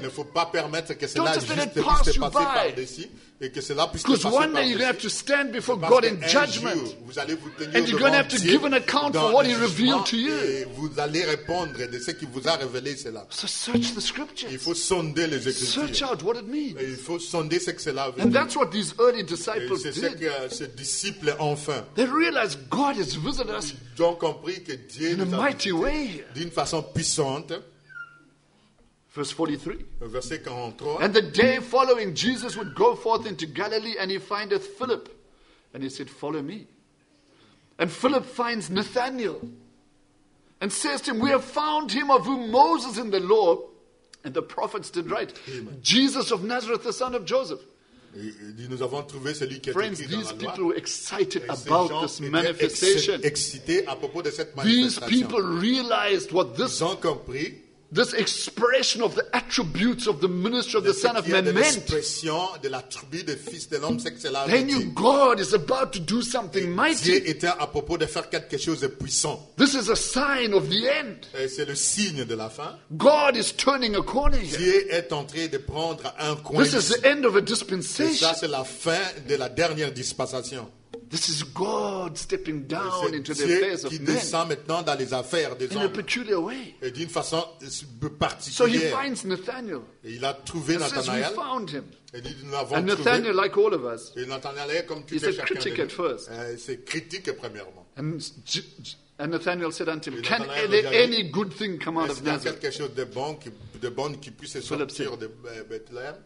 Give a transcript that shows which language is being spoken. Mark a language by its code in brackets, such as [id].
[fr] Ne faut pas permettre que cela juste puisse passer par dessus. [en] Because one day you're going to have to stand before God in judgment. And you're going to have to give an account for what he revealed to you. [fr] Vous allez répondre de ce qu'il vous a révélé cela. [en] So search the scriptures. [fr] Il faut sonder les écritures. [en] Search out what it means. [fr] Il faut sonder ce que cela veut dire. [en] And that's what these early disciples did. [fr] Et c'est ce que ces disciples ont fait. [en] They realized God has visited us in a mighty way. [fr] D'une façon puissante. [en] Verse 43. [fr] Verset 43. [en] And the day following, Jesus would go forth into Galilee, and he findeth Philip. And he said, follow me. And Philip finds Nathanael and says to him, we have found him of whom Moses in the law and the prophets did write. Amen. Jesus of Nazareth, the son of Joseph. [fr] Et nous avons trouvé celui qui [en] Friends, [fr] était écrit [en] these [fr] dans [en] people [fr] la loi. [en] Were excited about this manifestation. [fr] Excités à propos de cette manifestation. [en] These people realized what this [fr] Ils ont compris. [en] This expression of the attributes of the ministry of [fr] de [en] the Son of Man meant. [fr] De l'attribut des fils de l'homme, c'est que cela [en] then you, God is about to do something [fr] Et [en] mighty. [fr] Dieu était à propos de faire quelque chose de puissant. [en] This is a sign of the end. [fr] Et c'est le signe de la fin. [en] God is turning a corner here. [fr] Dieu est en train de prendre un coin. [en] This is the end of a dispensation. [fr] Et ça, c'est la fin de la dernière dispensation. [en] This is God stepping down [fr] c'est [en] into [fr] Dieu [en] the affairs of [fr] qui [en] men. [fr] Descend maintenant dans les affaires des [en] in [fr] hommes. [en] A peculiar way. [fr] Et d'une façon particulière. [en] So he finds Nathanael. [fr] Et il a trouvé Nathanael. [en] Says, we found him. [fr] Et dit, nous l'avons [en] And Nathanael, [fr] trouvé. [en] Like all of us, [fr] et Nathanael est comme tout [en] he's a critic at first. [fr] C'est critique premièrement. [en] And Nathanael said unto him, Can there any good thing come out of Nazareth? [fr] Est-ce qu'il y a quelque chose de bon qui puisse sortir de Bethléem?